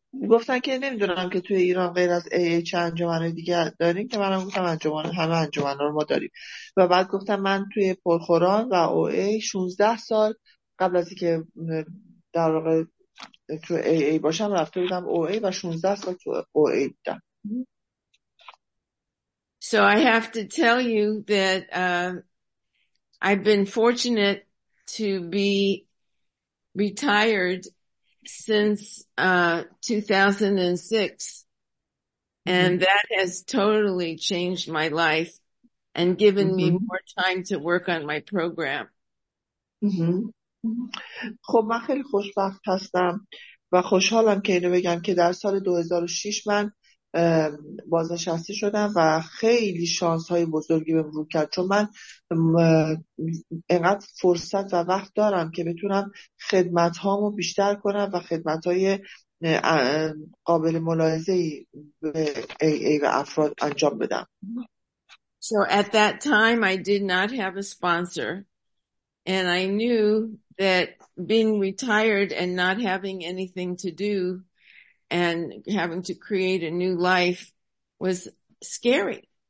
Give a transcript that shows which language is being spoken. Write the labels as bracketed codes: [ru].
[fa] گفتن که نمیدونم که توی ایران غیر از AA چه انجمن دیگه داریم، که منم گفتم انجمن همه انجمن رو ما داریم، و بعد گفتم من توی پرخوران و OA 16 سال قبل از اینکه در واقع تو AA باشم رفته بودم OA و 16 سال تو OA بودم. [en] So I have to tell you that I've been fortunate to be retired since 2006, and that has totally changed my life and given me more time to work on my program. [fa] خب من خیلی خوشبخت هستم و خوشحالم که اینو بگم که در سال 2006 من بازنشسته شدم و خیلی شانس های بزرگی به وجود کرد، چون من اینقدر فرصت و وقت دارم که بتونم خدمت هامو بیشتر کنم و خدمت های قابل ملاحظه ای به AA و افراد انجام بدم. [en] So at that time I did not have a sponsor, and I knew that being retired and not having anything to do and having to create a new life was scary.